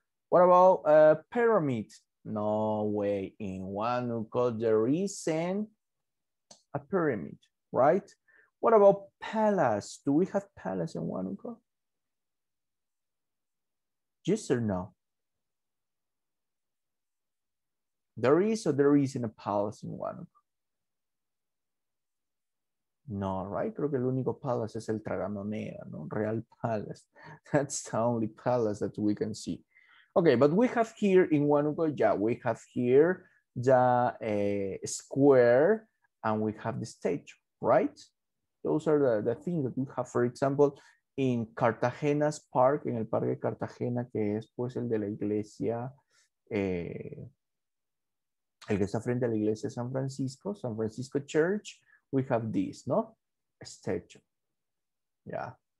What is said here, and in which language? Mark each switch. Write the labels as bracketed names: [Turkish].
[English] What about a pyramid? No way, in Huánuco, there isn't a pyramid, right? What about palace? Do we have palace in Huánuco? Yes or no? There is or there isn't a palace in Huánuco? No, right? [Spanish] Creo que el único palace es el Tragamonea, no? [English] Real Palace. That's the only palace that we can see. Okay, but we have here in Huánuco, yeah, we have here the square and we have the stage, right? Those are the things that we have. For example, in Cartagena's park, in [Spanish] el Parque Cartagena, que es pues el de la iglesia, el que está frente a la iglesia de San Francisco, [English] San Francisco Church, we have this, no? A statue. Yeah.